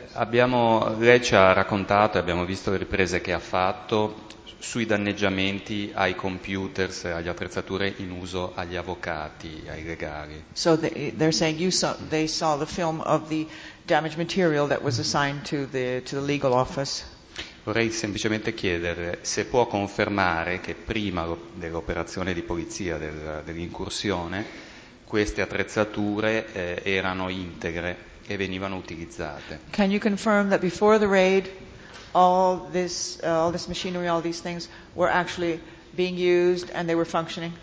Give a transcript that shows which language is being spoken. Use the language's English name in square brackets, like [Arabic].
[Italian] Lei ci ha raccontato e abbiamo visto le riprese che ha fatto sui danneggiamenti ai computer, agli attrezzature in uso agli avvocati, ai legali. [English] So they're saying they saw the film of the damaged material that was assigned to the legal office. [Italian] Vorrei semplicemente chiedere se può confermare che prima dell'operazione di polizia dell'incursione queste attrezzature erano integre e venivano utilizzate. [English] Can you confirm that before the raid all this machinery, all these things were actually being used and they were functioning?